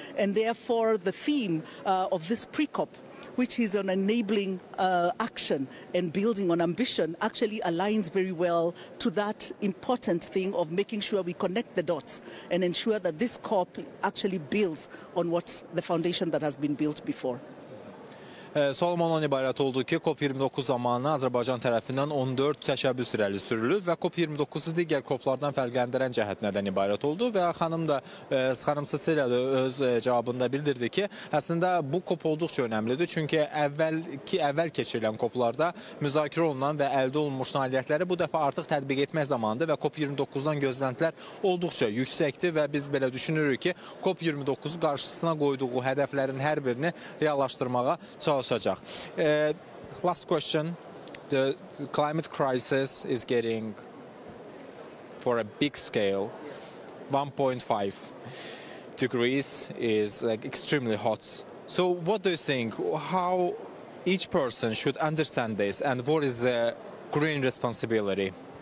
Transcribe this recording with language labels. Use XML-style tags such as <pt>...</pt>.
<en>And therefore, the theme of this pre-COP, which is on enabling action and building on ambition, actually aligns very well to that important thing of making sure we connect the dots and ensure that this COP actually builds on what the foundation that has been built before.</en> <az>Salam ondan ibarət oldu ki, COP29 zamanı Azərbaycan tərəfindən 14 təşəbbüs irəli sürülüb və COP29-u digər COP-lardan fərqləndirən cəhət nədən ibarət oldu və xanım Cecilia da öz cavabında bildirdi ki, əslində bu COP olduqca önəmlidir, çünki əvvəl keçirilən COP-larda müzakirə olunan və əldə olunmuş nailiyyətləri bu dəfə artıq tətbiq etmək zamanıdır və COP29-dan gözləntilər olduqca yüksəkdir və biz belə düşünürük ki, COP29-u qarşısına qoyduğu hədəflərin hər birini reallaşdırmağa çalışacaq.</az> <en>Last question. The climate crisis is getting for a big scale. 1.5 degrees is like extremely hot. So what do you think? How each person should understand this and what is the green responsibility?</en>